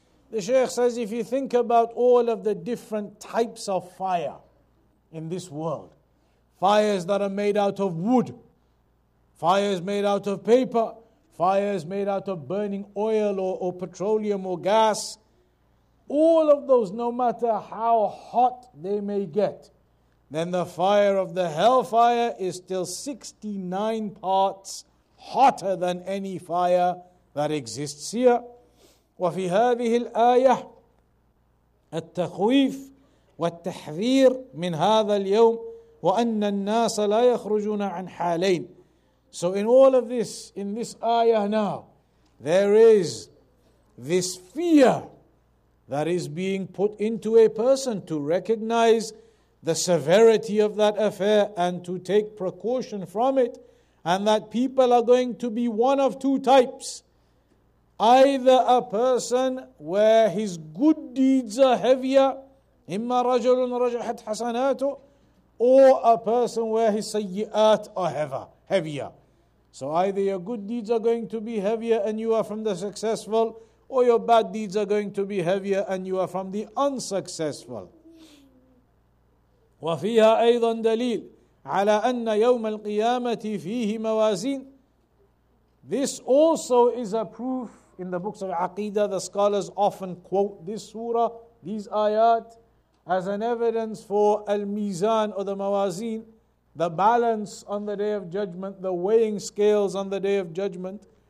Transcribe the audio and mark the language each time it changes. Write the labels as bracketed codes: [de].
[en] The Shaykh says, if you think about all of the different types of fire in this world, fires that are made out of wood, fires made out of paper, fires made out of burning oil or petroleum or gas, all of those, no matter how hot they may get, then the fire of the hellfire is still 69 parts hotter than any fire that exists here. [ar] وفي هذه الآية التخويف والتحذير من هذا اليوم وأن الناس لا يخرجون عن حالين. [en] So in all of this, in this ayah now, there is this fear that is being put into a person to recognize the severity of that affair and to take precaution from it, and that people are going to be one of two types. Either a person where his good deeds are heavier, [ar] إِمَّا رَجُلٌ رَجَحَتْ حَسَنَاتُ, [en] or a person where his سَيِّئَاتْ are heavier. So either your good deeds are going to be heavier and you are from the successful, or your bad deeds are going to be heavier and you are from the unsuccessful. [ar] وفيها أيضا دليل على أن يوم القيامة فيه موازين. [en] This also is a proof in the books of Aqidah. The scholars often quote this surah, these ayat, as an evidence for al-mizan or the mawazin, the balance on the day of judgment, the weighing scales on the day of judgment.